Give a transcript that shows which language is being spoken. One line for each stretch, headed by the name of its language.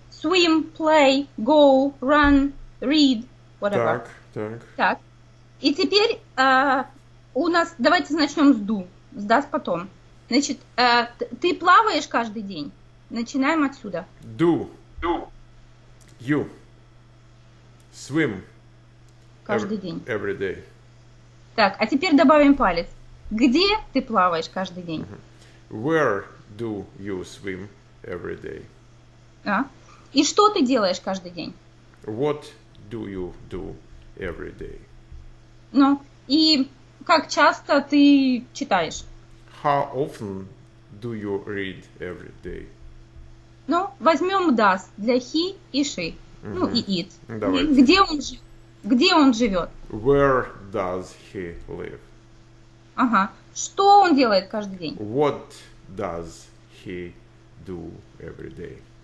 English: Swim, play, go, run, read, whatever.
Russian: Так. Так. Так. И теперь у нас... Давайте начнем с do. С does потом. Значит, ты плаваешь каждый день. Начинаем отсюда.
English: Do. You. Swim.
Russian: Каждый день.
English: Every day.
Russian: Так, а теперь добавим палец. Где ты плаваешь каждый день?
English: Where do you swim every day? А?
Russian: И что ты делаешь каждый день?
English: What do you do every day?
Russian: Ну, и как часто ты читаешь?
English: How often do you read every day?
Russian: Ну, возьмем does для he и she, ну и it. Давайте. Где он живет?
English: Where does he live? Ага.
Russian: Что он делает каждый день?
English: What does he do every day?